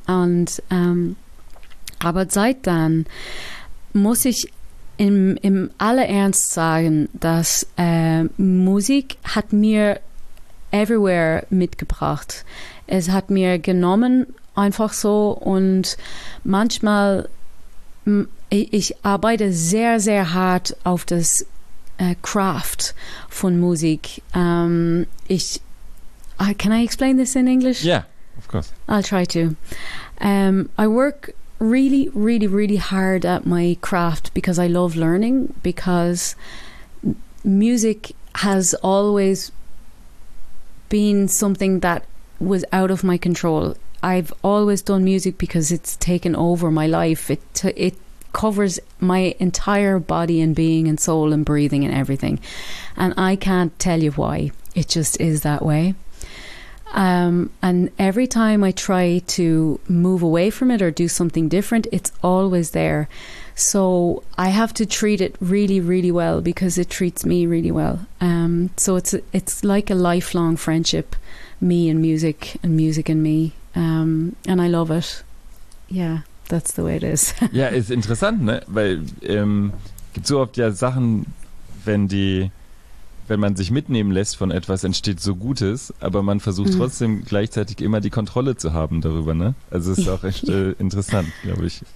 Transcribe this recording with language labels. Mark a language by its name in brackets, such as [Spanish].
[German] Und aber seit dann muss ich im aller Ernst sagen, dass Musik hat mir everywhere mitgebracht. Es hat mir genommen einfach so und manchmal ich arbeite sehr, sehr hart auf das Craft von Musik. [English] Can I explain this in English? Yeah, of course. I'll try to. I work really, really, really hard at my craft because I love learning, because music has always been something that was out of my control. I've always done music because it's taken over my life. It covers my entire body and being and soul and breathing and everything, and I can't tell you why, it just is that way. And every time I try to move away from it or do something different, it's always there, so I have to treat it really, really well because it treats me really well. So it's like a lifelong friendship, me and music and me, and I love it. Yeah, that's the way it is. [German] Ja, ist interessant, ne? Weil es gibt so oft ja Sachen, wenn die wenn man sich mitnehmen lässt von etwas, entsteht so Gutes, aber man versucht trotzdem gleichzeitig immer die Kontrolle zu haben darüber, ne? Also es ist auch echt interessant, glaube ich.